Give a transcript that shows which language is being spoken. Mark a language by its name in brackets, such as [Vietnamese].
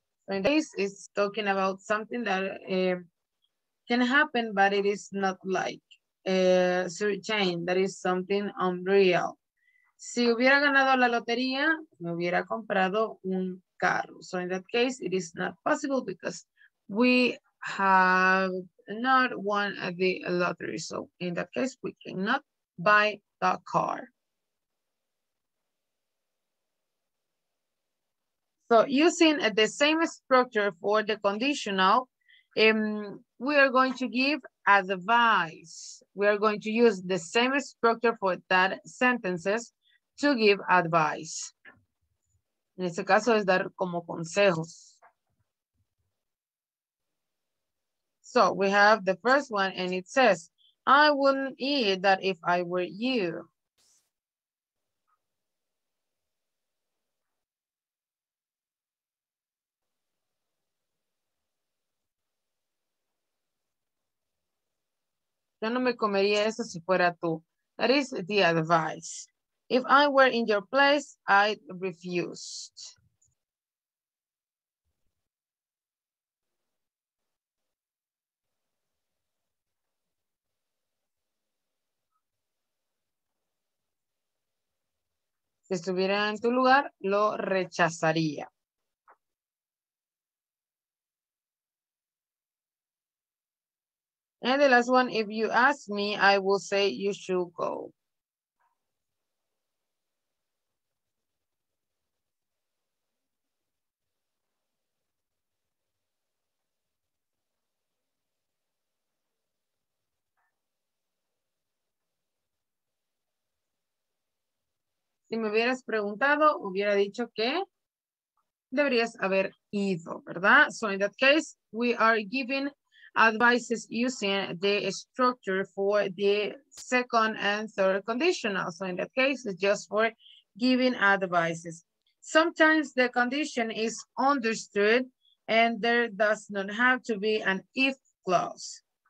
[English] In this, it's talking about something that can happen, but it is not like certain, that is something unreal. [Spanish] Si hubiera ganado la lotería, me hubiera comprado un carro. [English] So in that case, it is not possible because we have not won the lottery. So in that case, we cannot buy the car. So using the same structure for the conditional, we are going to give advice. We are going to use the same structure for that sentences to give advice. [Spanish] En este caso es dar como consejos. [English] So we have the first one and it says, I wouldn't eat that if I were you. [Spanish] Yo no me comería eso si fuera tú. [English] That is the advice. If I were in your place, I'd refuse. [Spanish] Si estuviera en tu lugar, lo rechazaría. [English] And the last one, if you ask me, I will say you should go. [Spanish] Si me hubieras preguntado, hubiera dicho que deberías haber ido, ¿verdad? [English] So in that case, we are giving advices using the structure for the second and third conditional. So in that case, it's just for giving advices. Sometimes the condition is understood and there does not have to be an if clause.